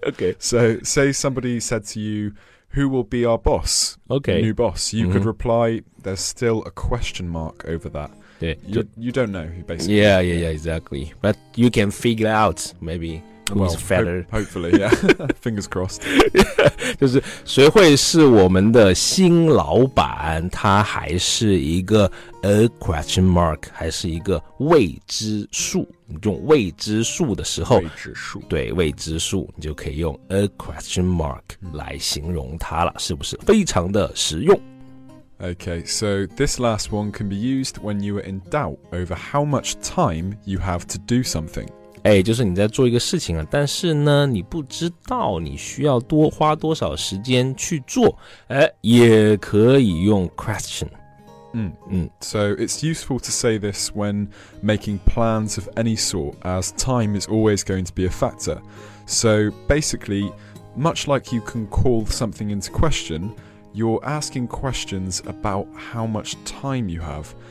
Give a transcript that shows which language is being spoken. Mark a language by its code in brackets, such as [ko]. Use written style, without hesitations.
[en] Okay. So say somebody said to you, who will be our boss? Okay. New boss. You could reply, there's still a question mark over that. Yeah. You don't know, basically. Yeah, exactly. But you can figure it out, maybe. who well, is feather. Hopefully, yeah. Fingers crossed. [zh] 就是谁会是我们的新老板？他还是一个 [en] a question mark， [zh] 还是一个未知数？用未知数的时候，未知数，对，未知数，你就可以用 [en] a question mark [zh] 来形容它了，是不是非常的实用？ [en] Okay, so this last one can be used when you are in doubt over how much time you have to do something. [zh] 哎，就是你在做一个事情啊，但是呢，你不知道你需要多花多少时间去做。哎，也可以用 question. 嗯嗯。 [en] So it's useful to say this when making plans of any sort, as time is always going to be a factor. So basically, much like you can call something into question,You're asking questions about how much time you have.